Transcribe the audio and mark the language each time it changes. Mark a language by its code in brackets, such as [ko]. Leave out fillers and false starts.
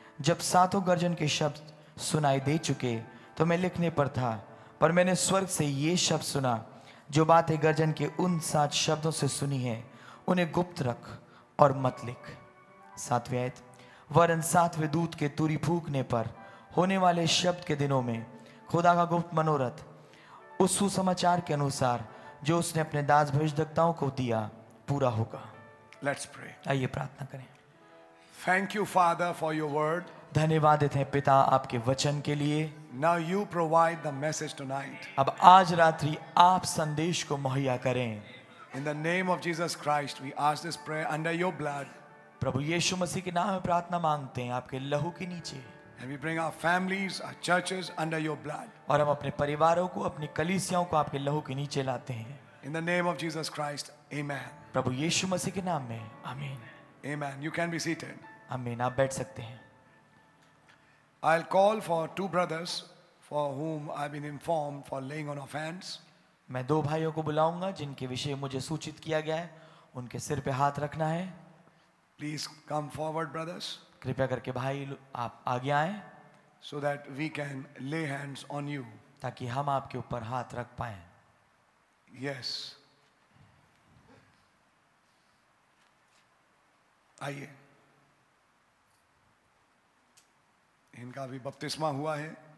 [hi] जब सातों गर्जन के शब्द सुनाई दे चुके तो मैं लिखने पर था पर मैंने स्वर्ग से ये शब्द सुना जो बातें गर्जन के उन सात शब्दों से सुनी है उन्हें गुप्त रख और मत लिख सातवें आयत वरन सातवें दूत के तुरी फूकने पर होने वाले शब्द के दिनों में खुदा का गुप्त मनोरथ उस सुसमाचार के अनुसार जो उसने अपने दास भविष्यद्वक्ताओं को दिया पूरा होगा [en] let's pray [hi] आइए प्रार्थना करें [en] thank you father for your word [hi] धन्यवाद देते हैं पिता आपके वचन के लिए [en] Now you provide the message tonight. [hi] अब आज रात्रि आप संदेश को मुहैया करें [en] In the name of Jesus Christ, we ask this prayer under your blood. [hi] प्रभु यीशु मसीह के नाम में प्रार्थना मांगते हैं आपके लहू के नीचे [en] And we bring our families, our churches under your blood. [hi] और हम अपने परिवारों को, अपनी कलीसियाओं को आपके लहू के नीचे लाते हैं. [en] In the name of Jesus Christ, amen. [hi] प्रभु यीशु मसीह के नाम में, आमीन. [en] Amen. You can be seated. [hi] आमीन. आप बैठ सकते हैं. [en] I'll call for two brothers for whom I've been informed for laying on of hands. [hi] मैं दो भाइयों को बुलाऊंगा जिनके विषय मुझे सूचित किया गया है, उनके सिर पे हाथ रखना है. [en] Please come forward, brothers. [hi] कृपया करके भाई आप आगे आए. [en] So that we can lay hands on you. [hi] ताकि हम आपके ऊपर हाथ रख पाए. [en] Yes. [hi] आइए. इनका भी बपतिस्मा हुआ है.